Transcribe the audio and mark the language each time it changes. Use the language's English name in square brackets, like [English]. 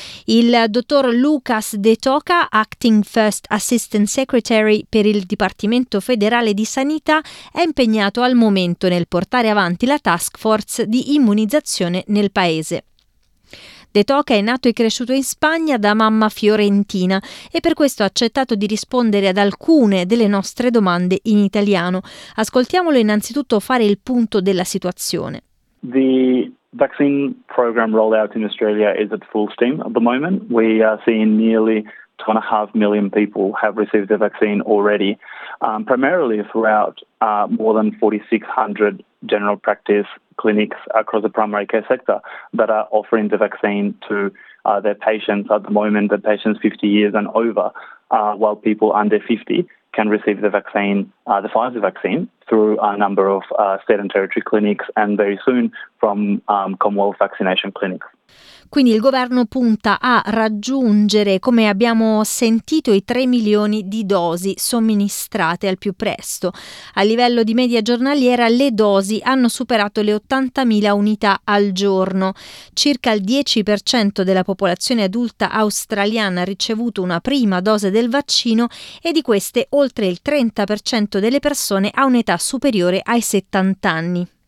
[Italian] Il dottor Lucas De Toca, Acting First Assistant Secretary per il Dipartimento Federale di Sanità, è impegnato al momento nel portare avanti la task force di immunizzazione nel paese. De Toca è nato e cresciuto in Spagna da mamma fiorentina e per questo ha accettato di rispondere ad alcune delle nostre domande in italiano. Ascoltiamolo innanzitutto fare il punto della situazione. [English] The vaccine program rollout in Australia is at full steam at the moment. We are seeing nearly 2.5 million people have received the vaccine already, primarily throughout more than 4,600 general practice clinics across the primary care sector that are offering the vaccine to their patients at the moment, the patients 50 years and over, while people under 50 can receive the vaccine, the Pfizer vaccine, through a number of state and territory clinics and very soon from Commonwealth vaccination clinics. [Italian] Quindi il governo punta a raggiungere, come abbiamo sentito, i 3 milioni di dosi somministrate al più presto. A livello di media giornaliera le dosi hanno superato le 80.000 unità al giorno. Circa il 10% della popolazione adulta australiana ha ricevuto una prima dose del vaccino e di queste oltre il 30% delle persone ha un'età superiore ai 70 anni.